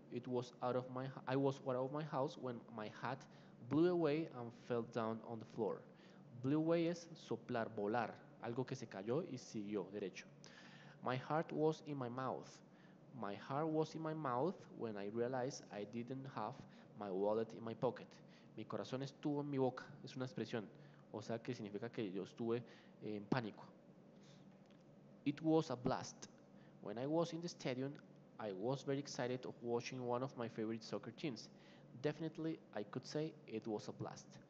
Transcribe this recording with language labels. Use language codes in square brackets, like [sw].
[en] I was out of my house when my hat blew away and fell down on the floor. [es] Blew away es soplar, volar, algo que se cayó y siguió derecho. [en] My heart was in my mouth. My heart was in my mouth when I realized I didn't have my wallet in my pocket. [es] Mi corazón estuvo en mi boca, es una expresión, o sea que significa que yo estuve en pánico. [en] It was a blast. When I was in the stadium, I was very excited of watching one of my favorite soccer teams. Definitely, I could say it was a blast.